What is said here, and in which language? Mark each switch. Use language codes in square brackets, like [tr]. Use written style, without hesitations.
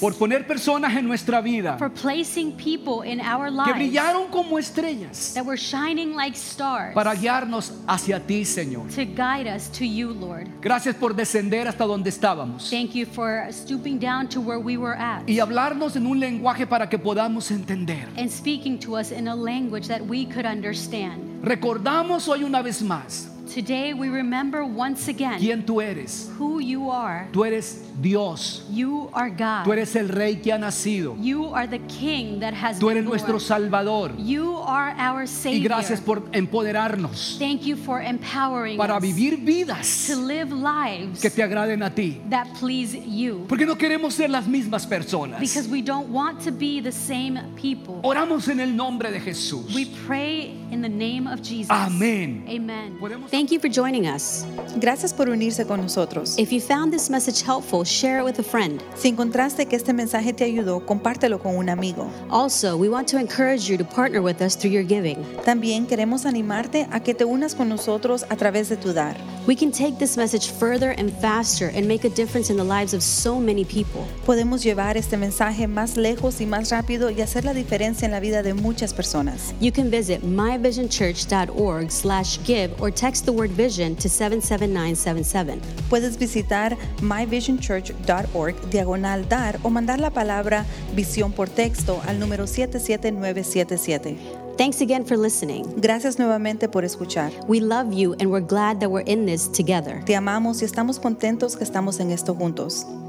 [es] Por poner personas en nuestra vida. [en] For placing people in our lives. [es] Que brillaron como estrellas. [en] That were shining like stars. [es] Para guiarnos hacia ti, Señor. [en] To guide us to you, Lord. [es] Gracias por descender hasta donde estábamos. [en] Thank you for stooping down to where we were at. [es] Y hablarnos en un lenguaje para que podamos entender. [en] And speaking to us in a language that we could understand. [es] Recordamos hoy una vez más. [en] Today we remember once again. [es] ¿Quién tú eres? [en] Who you are. [es] Tú eres Dios. [en] You are God. [es] Tú eres el rey que ha nacido. [en] You are the king that has been born. [es] Tú eres nuestro salvador. [en] You are our savior. [es] Y gracias por empoderarnos. [en] Thank you for empowering us. [es] Para vivir vidas. [en] To live lives. [es] Que te agraden a ti. [en] That please you. [es] Porque no queremos ser las mismas personas. [en] Because we don't want to be the same people. [es] Oramos en el nombre de Jesús. [en] We pray in the name of Jesus. [es] Amén. [en] Amen. Thank you for joining us. [es] Gracias por unirse con nosotros. [en] If you found this message helpful, share it with a friend. [es] Si encontraste que este mensaje te ayudó, compártelo con un amigo. [en] Also, we want to encourage you to partner with us through your giving. [es] También queremos animarte a que te unas con nosotros a través de tu dar. [en] We can take this message further and faster and make a difference in the lives of so many people. [es] Podemos llevar este mensaje más lejos y más rápido y hacer la diferencia en la vida de muchas personas. [en] You can visit myvisionchurch.org/give or text the word vision to 77977. [es] Puedes visitar myvisionchurch.org/dar o mandar la palabra visión por texto al número 77977. [en] Thanks again for listening. [es] Gracias nuevamente por escuchar. [en] We love you and we're glad that we're in this together. [es] Te amamos y estamos contentos que estamos en esto juntos.